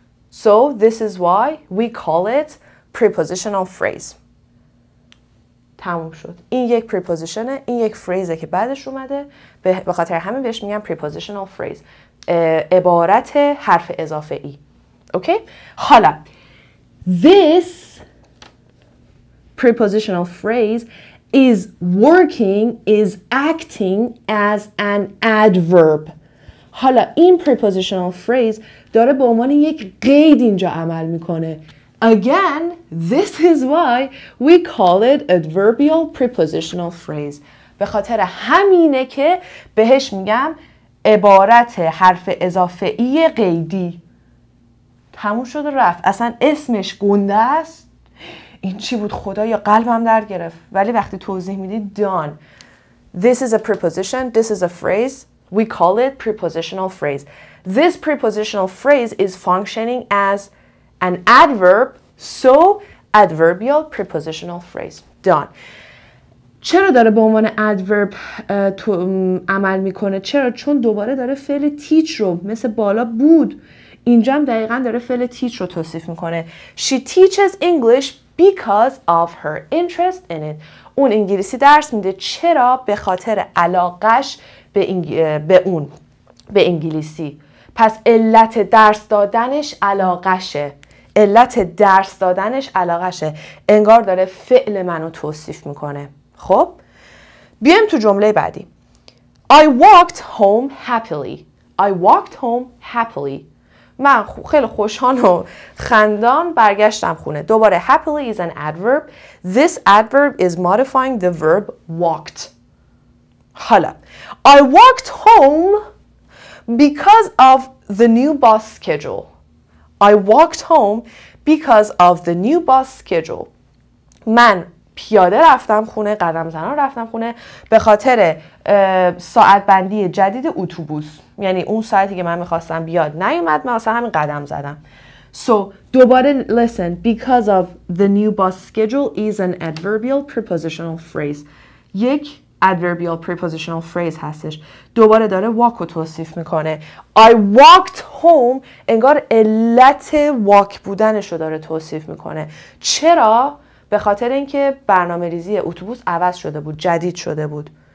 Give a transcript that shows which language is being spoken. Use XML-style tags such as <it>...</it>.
<en>So this is why we call it prepositional phrase.</en> <fa>تموم شد. این یک پریپوزیشنه، این یک فریزه که بعدش اومده. به خاطر همین بهش میگم پریپوزیشنال فریز. عبارت حرف اضافه ای. اوکی؟ حالا</fa> <en>this prepositional phrase is working, is acting as an adverb.</en> <fa>حالا این prepositional phrase داره به عنوان یک قید اینجا عمل میکنه.</fa> <en>Again, this is why we call it adverbial prepositional phrase.</en> <fa>به خاطر همینه که بهش میگم عبارت حرف اضافه ای قیدی. تموم شد و رفت. اصلا اسمش گنده است. این چی بود خدا؟ یا قلبم درد گرفت. ولی وقتی توضیح میدی done.</fa> <en>This is a preposition. This is a phrase. We call it prepositional phrase. This prepositional phrase is functioning as an adverb. So adverbial prepositional phrase. Done.</en> <fa>چرا داره به عنوان adverb تو عمل میکنه؟ چرا؟ چون دوباره داره فعل teach رو مثل بالا بود، اینجا هم دقیقا داره فعل teach رو توصیف میکنه.</fa> <en>She teaches English because of her interest in it.</en> <fa>اون انگلیسی درس میده. چرا؟ به خاطر علاقش به انگلیسی. پس علت درس دادنش علاقشه. علت درس دادنش علاقشه. انگار داره فعل منو توصیف میکنه. خب بیایم تو جمله بعدی.</fa> <en>I walked home happily. I walked home happily.</en> <fa>من خیلی خوشحال و خندان برگشتم خونه.</fa> <en>دوباره happily is an adverb. This adverb is modifying the verb walked. حالا I walked home because of the new bus schedule. I walked home because of the new bus schedule.</en> <fa>من پیاده رفتم خونه، قدم زنان رفتم خونه به خاطر ساعت بندی جدید اتوبوس. یعنی اون ساعتی که من میخواستم بیاد نیومد، من اصلا همین قدم زدم.</fa> <en>So دوباره listen. Because of the new bus schedule is an adverbial prepositional phrase.</en> <fa>یک adverbial prepositional phrase هستش. دوباره داره walk رو توصیف میکنه.</fa> <en>I walked home.</en> <fa>انگار علت walk بودنش رو داره توصیف میکنه. چرا؟ به خاطر اینکه برنامه ریزی اتوبوس عوض شده بود، جدید شده بود.</fa>